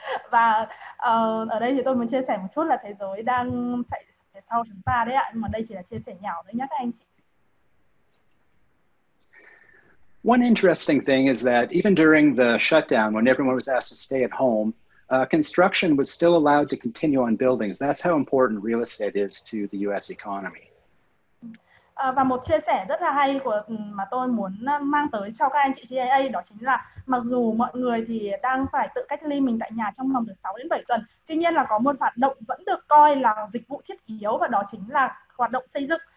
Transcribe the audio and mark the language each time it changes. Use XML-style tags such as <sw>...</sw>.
<vi>Và ở đây thì tôi muốn chia sẻ một chút là thế giới đang chạy phía sau chúng ta đấy ạ, nhưng mà đây chỉ là chia sẻ nhỏ thôi nhé các anh chị.</vi> <en>One interesting thing is that even during the shutdown, when everyone was asked to stay at home, construction was still allowed to continue on buildings. That's how important real estate is to the U.S. economy.</en> <vi>Và một chia sẻ rất là hay của mà tôi muốn mang tới cho các anh chị GIA đó chính là mặc dù mọi người thì đang phải tự cách ly mình tại nhà trong vòng từ 6 đến 7 tuần, tuy nhiên là có một hoạt động vẫn được coi là dịch vụ thiết yếu và đó chính là hoạt động xây dựng.</vi>